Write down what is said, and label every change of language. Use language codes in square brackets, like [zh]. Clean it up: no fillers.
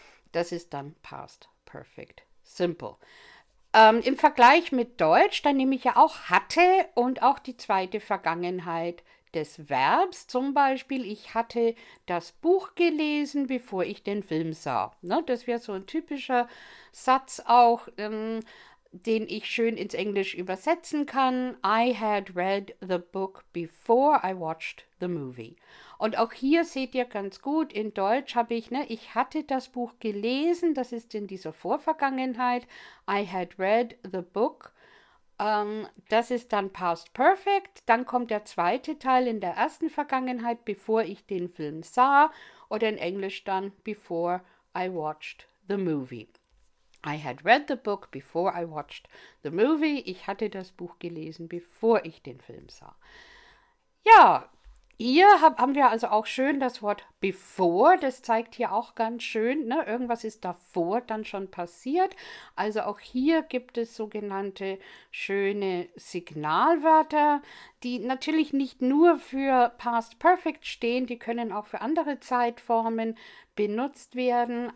[de] Das ist dann Past Perfect Simple. Im Vergleich mit Deutsch, da nehme ich ja auch hatte und auch die zweite Vergangenheit des Verbs. Zum Beispiel, ich hatte das Buch gelesen, bevor ich den Film sah. Ne, das wäre so ein typischer Satz auch, den ich schön ins Englisch übersetzen kann. [en] I had read the book before I watched the movie. [de] Und auch hier seht ihr ganz gut, in Deutsch habe ich, ne, ich hatte das Buch gelesen, das ist in dieser Vorvergangenheit. [en] I had read the book. [de] Das ist dann [en] Past Perfect. [de] Dann kommt der zweite Teil in der ersten Vergangenheit, bevor ich den Film sah. Oder in Englisch dann, [en] before I watched the movie. I had read the book before I watched the movie. [de] Ich hatte das Buch gelesen, bevor ich den Film sah. Ja, hier haben wir also auch schön das Wort bevor, das zeigt hier auch ganz schön, ne? Irgendwas ist davor dann schon passiert. Also auch hier gibt es sogenannte schöne Signalwörter, die natürlich nicht nur für Past Perfect stehen, die können auch für andere Zeitformen benutzt werden.